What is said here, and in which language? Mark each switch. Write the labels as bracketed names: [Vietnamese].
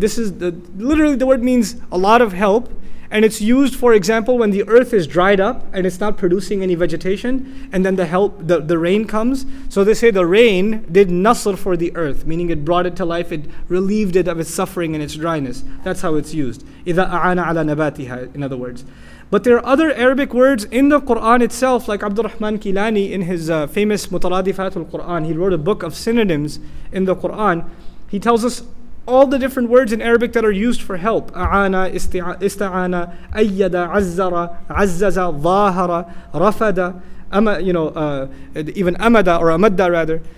[English] This is, literally the word means a lot of help. And it's used, for example, when the earth is dried up and it's not producing any vegetation, and then the rain comes. So they say the rain did nasr for the earth, meaning it brought it to life, it relieved it of its suffering and its dryness. That's how it's used. [Arabic] إذا أعان على نباتها, [English] in other words. But there are other Arabic words in the Quran itself, like Abdurrahman Kilani in his famous Mutaradifat al-Quran, he wrote a book of synonyms in the Quran. He tells us all the different words in Arabic that are used for help. A'ana, ista'ana, ayyada, azzara, azzaza, zahara, rafada, even amada or amadda rather.